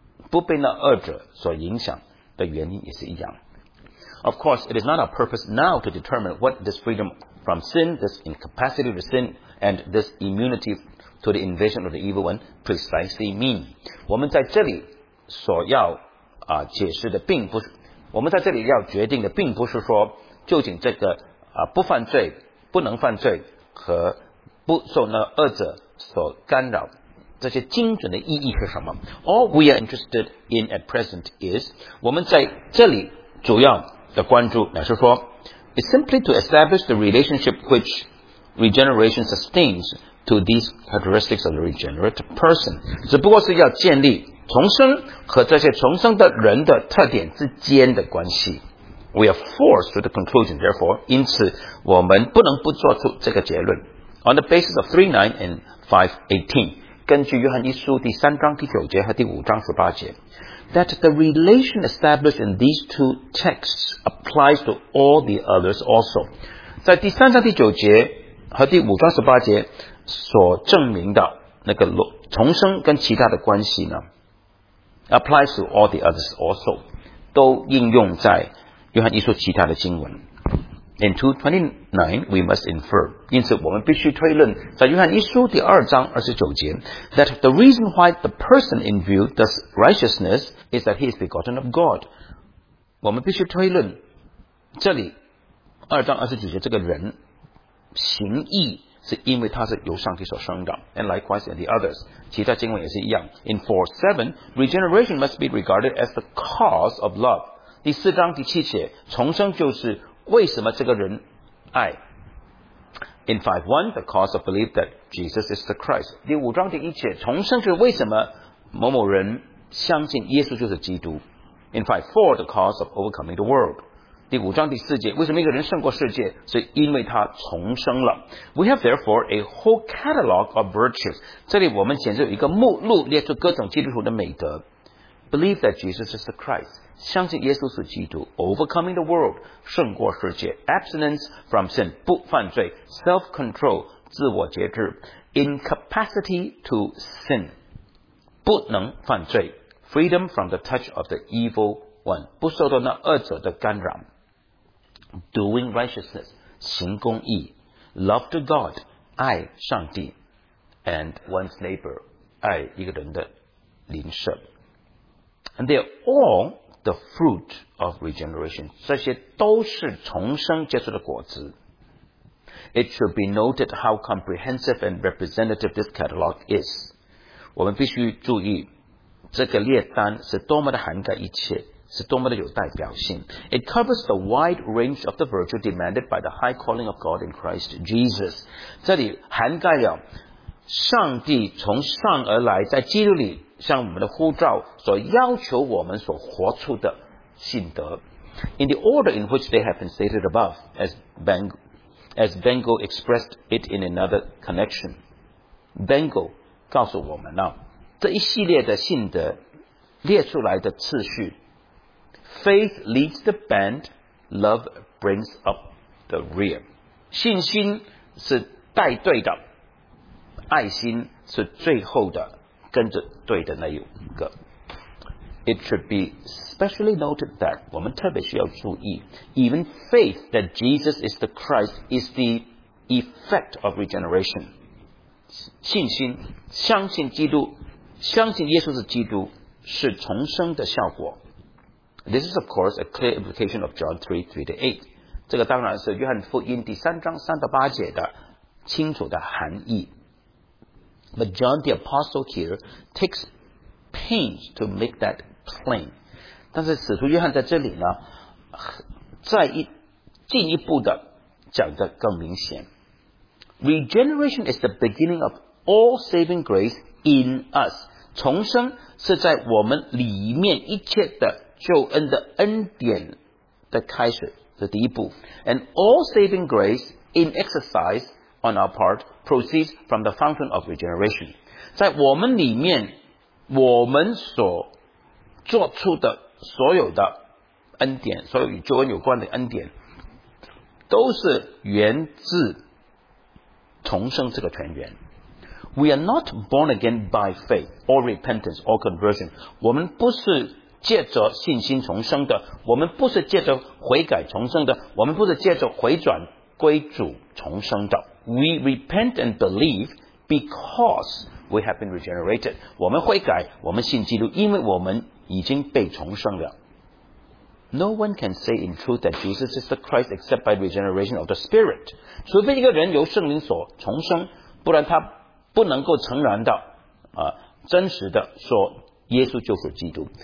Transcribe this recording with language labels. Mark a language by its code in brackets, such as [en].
[zh] 不被那恶者所影响的原因也是一样。 [en] Of course, it is not our purpose now to determine what this freedom from sin, this incapacity to sin, and this immunity to the invasion of the evil one precisely mean. [zh] 我们在这里所要、解释的并不是，我们在这里要决定的并不是说究竟这个、不犯罪、不能犯罪和不受那恶者所干扰这些精准的意义是什么。 [en] All we are interested in at present is [zh] 我们在这里主要的关注乃是说 [en] is simply to establish the relationship which regeneration sustains to these characteristics of the regenerate person. [zh] 只不过是要建立重生和这些重生的人的特点之间的关系。 [en] We are forced to the conclusion therefore [zh] 因此我们不能不做出这个结论。 [en] On the basis of 3:9 and 5:18 [zh] 根据约翰一书第三章第九节和第五章十八节 [en] that the relation established in these two texts applies to all the others also. [zh] 在第三章第九节和第五章十八节所证明的那个重生跟其他的关系呢 [en] applies to all the others also, [zh] 都应用在约翰一书其他的经文。 [en] In 2:29, we must infer. [zh] 因此我们必须推论在约翰一书第二章二十九节 [en] that the reason why the person in view does righteousness is that he is begotten of God. [zh] 我们必须推论这里二章二十九节这个人行义是因为他是由上帝所生的。 [en] And likewise in the others. [zh] 其他经文也是一样。 [en] In 4:7, regeneration must be regarded as the cause of love. [zh] 第四章第七节重生就是为什么这个人爱。 [en] In 5:1, the cause of belief that Jesus is the Christ. [zh] 第五章第一节重生是为什么某某人相信耶稣就是基督。 [en] In 5:4, the cause of overcoming the world. [zh] 第五章第四节为什么一个人胜过世界，是因为他重生了。 [en] We have therefore a whole catalog of virtues. [zh] 这里我们简直有一个目录列出各种基督徒的美德。 [en] Believe that Jesus is the Christ. [zh] 相信耶稣是基督 [en] overcoming the world [zh] 胜过世界 [en] abstinence from sin [zh] 不犯罪 [en] self-control [zh] 自我节制 [en] incapacity to sin [zh] 不能犯罪 [en] freedom from the touch of the evil one [zh] 不受到那恶者的干扰 [en] doing righteousness [zh] 行公义 [en] love to God [zh] 爱上帝 [en] and one's neighbor [zh] 爱一个人的邻舍 [en] and they are allThe fruit of regeneration. [zh] 这些都是重生结出的果子。 [en] It should be noted how comprehensive and representative this catalog is. [zh] 我们必须注意这个列单是多么的涵盖一切，是多么的有代表性。 [en] It covers the wide range of the virtue demanded by the high calling of God in Christ Jesus. [zh] 这里涵盖了上帝从上而来在基督里向我们的呼召所要求我们所活出的信德。 [en] In the order in which they have been stated above, as Bengel expressed it in another connection, Bengel [zh] 告诉我们啊，这一系列的信德列出来的次序 [en] Faith leads the band, love brings up the rear. [zh] 信心是带队的，爱心是最后的跟着对的那一个。 [en] It should be specially noted that [zh] 我们特别需要注意 [en] Even faith that Jesus is the Christ is the effect of regeneration. [zh] 信心相信基督相信耶稣是基督是重生的效果。 [en] This is of course a clear implication of John 3:3-8. [zh] 这个当然是约翰福音第三章三到八节的清楚的含义。 [en] But John the Apostle here takes pains to make that plain. [zh] 但是使徒约翰在这里呢，再一进一步的讲得更明显。 [en] Regeneration is the beginning of all saving grace in us. [zh] 重生是在我们里面一切的救恩的恩典的开始的第一步。 [en] And all saving grace in exercise on our part proceeds from the fountain of regeneration. [zh] 在我们里面，我们所做出的所有的恩典，所有与救恩有关的恩典，都是源自重生这个泉源。 [en] We are not born again by faith or repentance or conversion. [zh] 我们不是借着信心重生的，我们不是借着悔改重生的，我们不是借着回转归主重生的。 [en] We repent and believe because we have been regenerated. [zh] 我们悔改，我们信基督，因为我们已经被重生了。 [en] No one can say in truth that Jesus is the Christ except by regeneration of the Spirit. [zh] 除非一个人由圣灵所重生，不然他不能够承认到真实的说耶稣就是基督。